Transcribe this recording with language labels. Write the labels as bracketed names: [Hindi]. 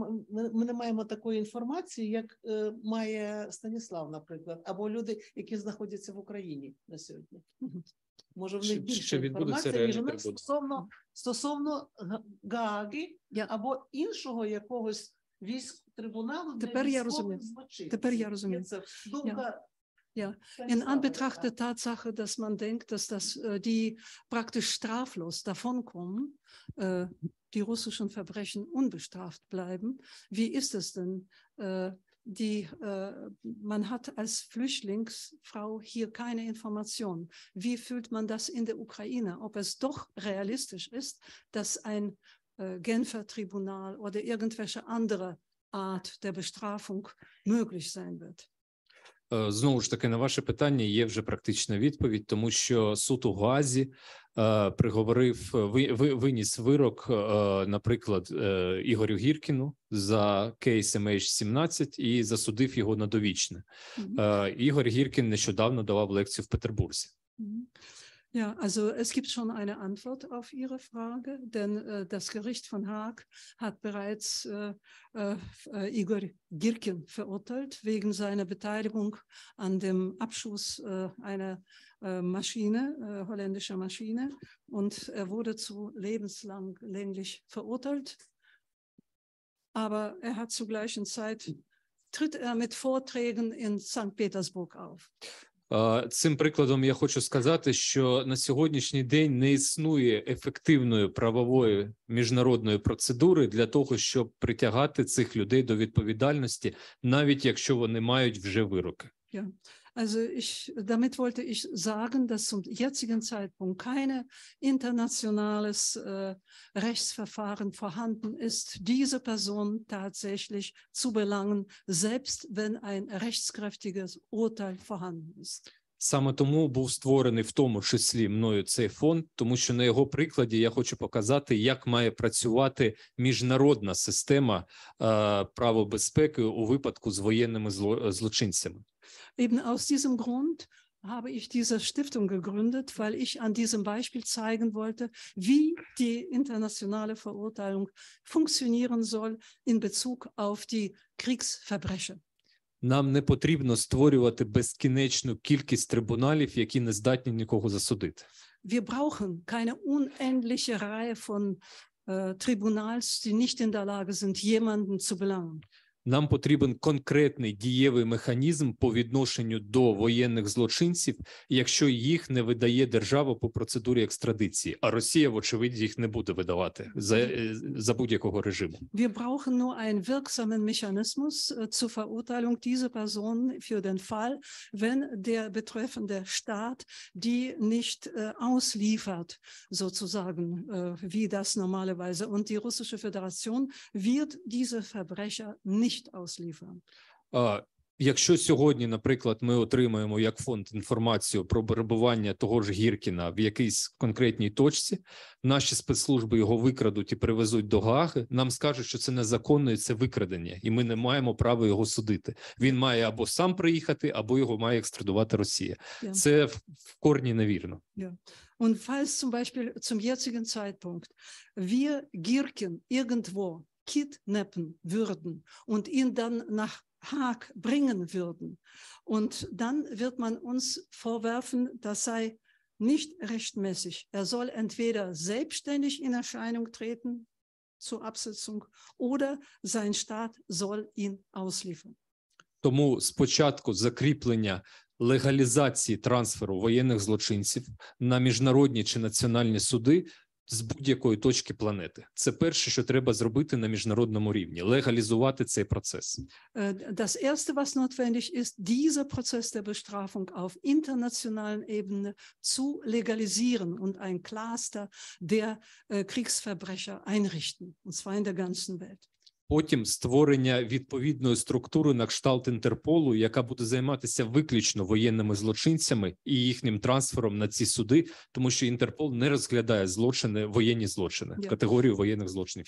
[Ukrainian] Ми не маємо такої інформації, як має Станіслав, наприклад, або люди, які знаходяться в Україні на сьогодні. Може, в них більше інформації, ніж вони стосовно Гааги або іншого якогось військ-трибуналу. Тепер я розумію. Тепер я розумію. Це думка... [German] Ja, in Anbetracht der Tatsache, dass man denkt, dass das die praktisch straflos davonkommen, die russischen Verbrechen unbestraft bleiben, wie ist es denn? Man hat als Flüchtlingsfrau hier keine Informationen. Wie fühlt man das in der Ukraine? Ob es doch realistisch ist, dass ein Genfer Tribunal oder irgendwelche andere Art der Bestrafung möglich sein wird? [Ukrainian] Знову ж таки, на ваше питання є вже практична відповідь, тому що суд у Гаазі приговорив, виніс вирок, наприклад, Ігорю Гіркіну за кейс MH17 і засудив його на довічне. Ігор Гіркін нещодавно давав лекцію в Петербурзі. [German] Ja, also es gibt schon eine Antwort auf Ihre Frage, denn das Gericht von Haag hat bereits Igor Girkin verurteilt wegen seiner Beteiligung an dem Abschuss einer Maschine, holländischer Maschine, und er wurde zu lebenslänglich verurteilt. Aber er hat zur gleichen Zeit, tritt er mit Vorträgen in St. Petersburg auf. [Ukrainian] Цим прикладом я хочу сказати, що на сьогоднішній день не існує ефективної правової міжнародної процедури для того, щоб притягати цих людей до відповідальності, навіть якщо вони мають вже вироки. [German] Ja. Also ich, damit wollte ich sagen, dass zum jetzigen Zeitpunkt kein internationales Rechtsverfahren vorhanden ist, diese Person tatsächlich zu belangen, selbst wenn ein rechtskräftiges Urteil vorhanden ist. [Ukrainian] Саме тому був створений в тому числі мною цей фонд, тому що на його прикладі я хочу показати, як має працювати міжнародна система правобезпеки у випадку з воєнними злочинцями. [German] Eben aus diesem Grund habe ich diese Stiftung gegründet, weil ich an diesem Beispiel zeigen wollte, wie die internationale Verurteilung funktionieren soll in Bezug auf die Kriegsverbrechen. [Ukrainian] Нам не потрібно створювати безкінечну кількість трибуналів, які не здатні нікого засудити. [German] Wir brauchen keine unendliche Reihe von Tribunals, die nicht in der Lage sind, jemanden zu belangen. [Ukrainian] Нам потрібен конкретний дієвий механізм по відношенню до воєнних злочинців, якщо їх не видає держава по процедурі екстрадиції. А Росія, вочевидь, їх не буде видавати за будь-якого режиму. [German] Wir brauchen nur einen wirksamen Mechanismus zur Verurteilung dieser Person für den Fall, wenn der betreffende Staat die nicht ausliefert, sozusagen, wie das normalerweise. Und die Russische Föderation wird diese Verbrecher nicht ausliefern. [Ukrainian] Якщо сьогодні, наприклад, ми отримаємо як фонд інформацію про перебування того ж Гіркіна в якійсь конкретній точці, наші спецслужби його викрадуть і привезуть до Гааги, нам скажуть, що це незаконно і це викрадення, і ми не маємо права його судити. Він має або сам приїхати, або його має екстрадувати Росія. [English] Yeah. [Ukrainian] Це в корні невірно. Yeah. [German] Und falls zum Beispiel zum jetzigen Zeitpunkt wir Girkin irgendwo kidnappen würden und ihn dann nach Haag bringen würden. Und dann wird man uns vorwerfen, das sei nicht rechtmäßig. Er soll entweder selbstständig in Erscheinung treten zur Absetzung oder sein Staat soll ihn ausliefern. [Ukrainian] Тому спочатку закріплення легалізації трансферу воєнних злочинців на міжнародні чи національні суди з будь-якої точки планети. Це перше, що треба зробити на міжнародному рівні – легалізувати цей процес. [German] Das erste, was notwendig ist, dieser Prozess der Bestrafung auf internationalen Ebene zu legalisieren und ein Cluster der Kriegsverbrecher einrichten, und zwar in der ganzen Welt. [Ukrainian] Потім створення відповідної структури на кшталт Інтерполу, яка буде займатися виключно воєнними злочинцями і їхнім трансфером на ці суди, тому що Інтерпол не розглядає злочини, воєнні злочини, yeah. Категорію воєнних злочинів.